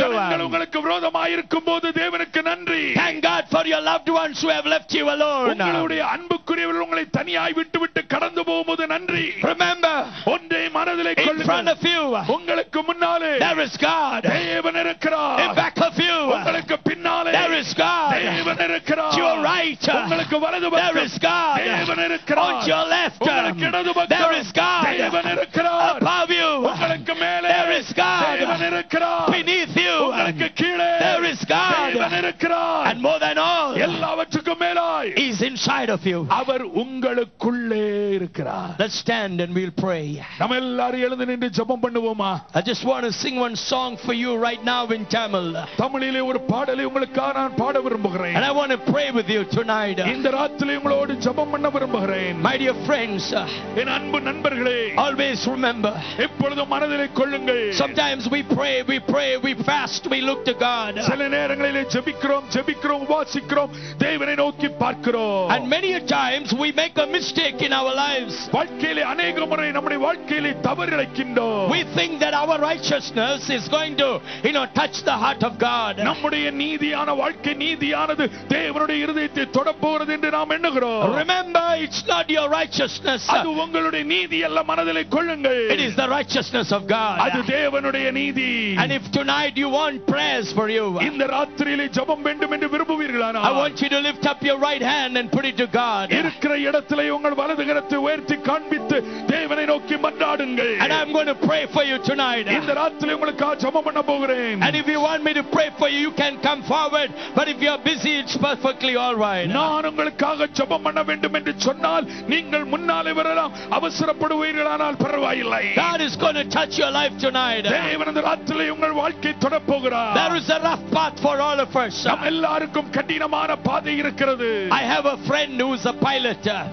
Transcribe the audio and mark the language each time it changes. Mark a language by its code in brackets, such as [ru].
[ta] ஜனங்கள் உங்களுக்கு விரோதமாய் இருக்கும் போது தேவனுக்கு நன்றி. [en] Thank God for your loved ones who have left you alone, [ta] உங்களுடைய அன்புக்குரியவர்கள் உங்களை தனியாய் விட்டுவிட்டு கடந்து போகும்போது நன்றி. [en] Remember, [ta] ஒன்றே மனதிலே கொள்ளுங்கள், [en] in front of you, [ta] உங்களுக்கு முன்னாலே, [en] there is God, [ta] தேவன் இருக்கிறார். [en] In back of you, [ta] உங்களுக்கு பின்னாலே, [en] there is God, [ta] தேவன் இருக்கிறார். [en] To your right, [ta] உங்களுக்கு வலது பக்கம், [en] there is God, [ta] தேவன் இருக்கிறார். [en] On your left, [ta] உங்களுக்கு இடது பக்கம், [en] there is God, [ta] தேவன் இருக்கிறார். [en] Above you, [ta] உங்களுக்கு மேலே, [en] there is God, [ta] தேவன் இருக்கிறார். [en] Beneath you, [ta] உங்களுக்கு கீழே, [en] there is God, [ta] தேவன் இருக்கிறார். [en] And more than all, [ta] எல்லாவற்றுக்கும் மேலாய், [en] he is inside of you, [ta] அவர் உங்களுக்குள்ளே இருக்கிறார். [en] Let's stand and we'll pray. [ta] நாம் எல்லாரும் எழுந்து நின்று ஜெபம் பண்ணுவோமா? [en] I just want to sing one song for you right now in Tamil. [ta] தமிழிலே ஒரு பாடலை உங்களுக்காக நான் பாட விரும்புகிறேன். [en] And I want to pray with you tonight. [ta] இந்த ராத்திரி உங்களோடு ஜெபம் பண்ண விரும்புகிறேன். [en] My dear friends, [ta] என் அன்பு நண்பர்களே, [en] always remember, [ta] எப்பொழுது மனதிலே கொள்ளுங்கள், [en] sometimes we pray, we fast, we look to God. [ta] சில நேரங்களிலே ஜெபிக்கிறோம், உபாசிக்கிறோம், தேவனை நோக்கி பார்க்கிறோம். [en] And many a times we make a mistake in our lives. [ta] வாழ்க்கையிலே அநேக முறை நம்முடைய வாழ்க்கையிலே தவறு இழைக்கின்றோம். [en] We think that our righteousness is going to, you know, touch the heart of God. [ta] நம்முடைய நீதியான வாழ்க்கை, நீதியானது தேவனுடைய இருதயத்தை தொடப்போகிறது என்று நாம் எண்ணுகிறோம். [en] Remember, it's not your righteousness. [ta] அது உங்களுடைய நீதி அல்ல, மனதிலே கொள்ளுங்கள். [en] It is the righteousness of God. [ta] அது தேவனுடைய நீதி. [en] And if tonight you want prayers for you, [ta] இந்த ராத்திரியிலே ஜெபம் வேண்டும் என்று விரும்புவீர்களானால், [en] I want you to lift up your right hand and put it to God. [ta] இருக்கிற இடத்திலே உங்கள் வலது கரத்தை உயர்த்தி காண்பித்து தேவனை நோக்கி மன்றாடுங்கள். [en] And I'm going to pray for you tonight. [ta] இந்த ராத்திரியிலே உங்களுக்காக ஜெபம் பண்ண போகிறேன். [en] And if you want me to pray for you, you can come forward. But if you are busy, it's perfectly all right. [ta] நான் உங்களுக்காக ஜெபம் பண்ண வேண்டும் என்று சொன்னால் நீங்கள் முன்னாலே வரலாம், அவசரப்படுவீர்களானால் பரவாயில்லை. [en] God is going to touch your life tonight. [ta] தேவன் இந்த ராத்திரியிலே உங்கள் வாழ்க்கை தொடப்போகிறார். [en] There is a rough path for all of us. [ta] நம் எல்லாருக்கும் கடினமான பாதை இருக்கிறது. [en] I have a friend who is a pilot.